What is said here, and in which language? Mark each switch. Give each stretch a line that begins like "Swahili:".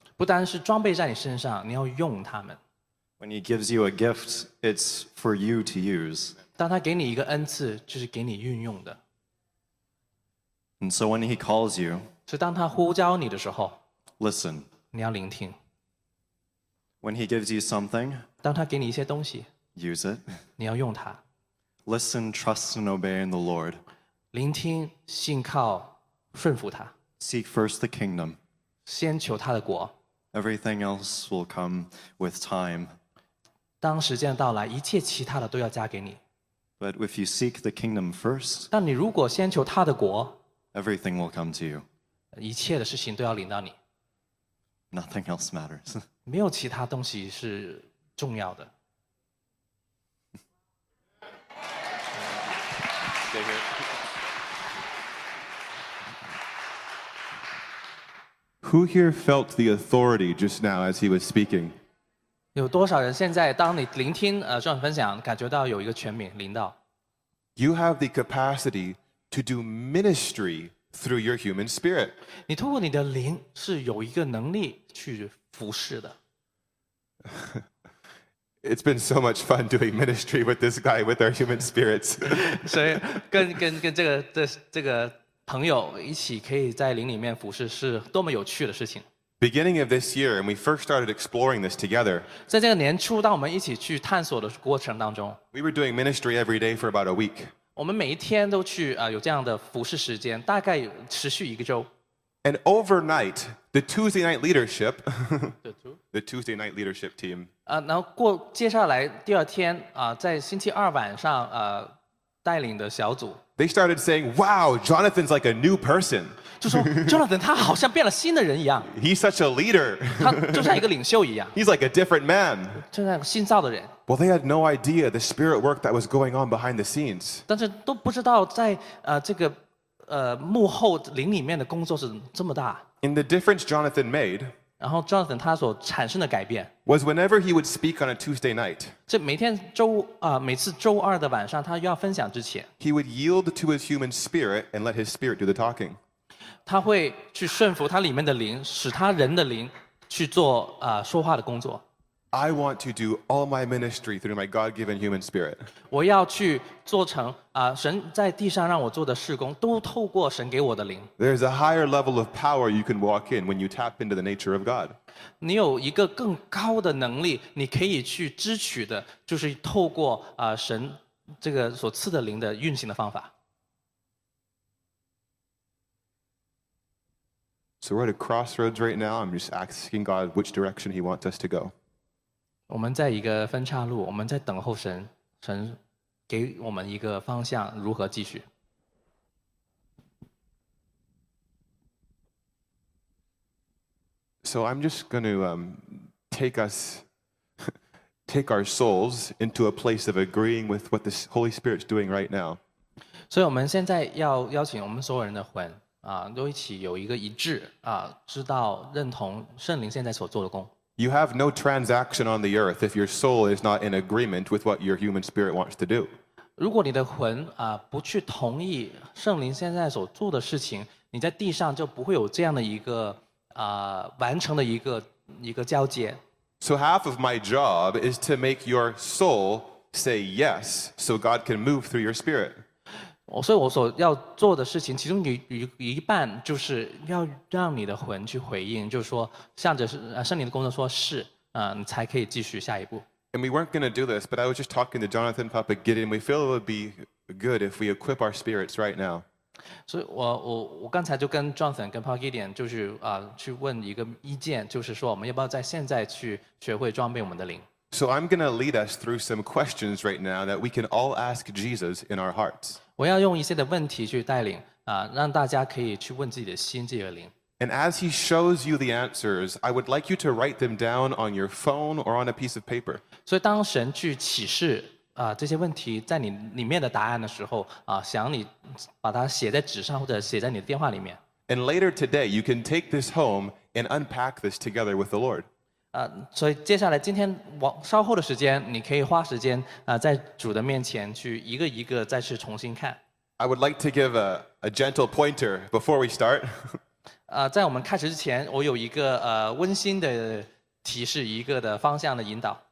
Chinese: 不单是装备在你身上，你要用它们。
English: When he gives you a gift, it's for you to use.
Chinese: 当他给你一个恩赐，就是给你运用的。
English: And so when he calls you,
Chinese: 所以当他呼召你的时候
English: ，listen.
Chinese: 你要聆听。
English: When he gives you something,
Chinese: 当他给你一些东西
English: ，use it.
Chinese: 你要用它。
English: Listen, trust, and obey in the Lord.
Chinese: 聆听、信靠、顺服他。
English: Seek first the kingdom.
Chinese: 先求他的国。
English: Everything else will come with time.
Chinese: 当时间到来，一切其他的都要加给你。
English: But if you seek the kingdom first,
Chinese: 但你如果先求他的国，
English: everything will come to you.
Chinese: 一切的事情都要领到你。
English: Nothing else matters.
Chinese: 没有其他东西是重要的。
English: Stay here. Who here felt the authority just now as he was speaking?
Chinese: 有多少人现在当你聆听John 分享，感觉到有一个权柄临到？
English: You have the capacity to do ministry through your human spirit.
Chinese: 你透过你的灵是有一个能力去服侍的。
English: It's been so much fun doing ministry with this guy with our human spirits.
Chinese: 所以跟这个朋友一起可以在灵里面服侍是多么有趣的事情。
English: Beginning of this year, and we first started exploring this together.
Chinese: 在这个年初，当我们一起去探索的过程当中，
English: we were doing ministry every day for about a week.
Chinese: 我们每一天都去有这样的服事时间，大概持续一个周。
English: And overnight, the Tuesday night leadership, the Tuesday night leadership team.
Chinese: 然后过接下来第二天在星期二晚上带领的小组。
English: They started saying, wow, Jonathan's like a new person.
Chinese: 就说 Jonathan 他好像变了新的人一样。
English: He's such a leader.
Chinese: 他就像一个领袖一样。
English: He's like a different man.
Chinese: 就像新造的人。
English: Well, they had no idea the spirit work that was going on behind the scenes.
Chinese: 但是都不知道在这个幕后灵里面的工作是这么大。
English: In the difference Jonathan made,
Chinese: 然后 Jonathan 他所产生的改变
English: was whenever he would speak on a Tuesday night,
Chinese: 这每天周每次周二的晚上他要分享之前
English: he would yield to his human spirit and let his spirit do the talking.
Chinese: 他会去顺服他里面的灵，使他人的灵去做说话的工作。
English: I want to do all my ministry through my God-given human spirit.
Chinese: 我要去做成神在地上让我做的事工都透过神给我的灵。
English: There's a higher level of power you can walk in when you tap into the nature of God.
Chinese: 你有一个更高的能力你可以去支取的，就是透过神这个所赐的灵的运行的方法。
English: So we're at a crossroads right now. I'm just asking God which direction he wants us to go.
Chinese: 我们在一个分岔路，我们在等候神，神给我们一个方向，如何继续。
English: So I'm just going to take our souls into a place of agreeing with what the Holy Spirit's doing right now.
Chinese: 所以我们现在要邀请我们所有人的魂都一起有一个一致知道认同圣灵现在所做的工。
English: You have no transaction on the earth if your soul is not in agreement with what your human spirit wants to do.
Chinese: 如果你的魂不去同意圣灵现在所做的事情，你在地上就不会有这样的一个完成的一个交接。
English: So half of my job is to make your soul say yes so God can move through your spirit.
Chinese: 所以我所要做的事情其中一半就是要让你的魂去回应，就是说向着圣灵的工作说是你才可以继续下一步。
English: And we weren't going to do this, but I was just talking to Jonathan Papa Gideon. We feel it would be good if we equip our spirits right now.
Chinese: 所以我刚才就跟 Jonathan 跟 Papa Gideon 就是去问一个意见，就是说我们要不要在现在去学会装备我们的灵。
English: So I'm going to lead us through some questions right now that we can all ask Jesus in our hearts.
Chinese: 我要用一些的问题去带领让大家可以去问自己的心，自己的灵。
English: And as he shows you the answers, I would like you to write them down on your phone or on a piece of paper.
Chinese: 所以当神去启示这些问题在你里面的答案的时候想你把它写在纸上或者写在你的电话里面。
English: And later today, you can take this home and unpack this together with the Lord.
Chinese: 所以接下来今天稍后的时间你可以花时间在主的面前去一个一个再去重新看。
English: I would like to give a gentle pointer before we start.
Chinese: 在我们开始之前我有一个温馨的提示，一个的方向的引导。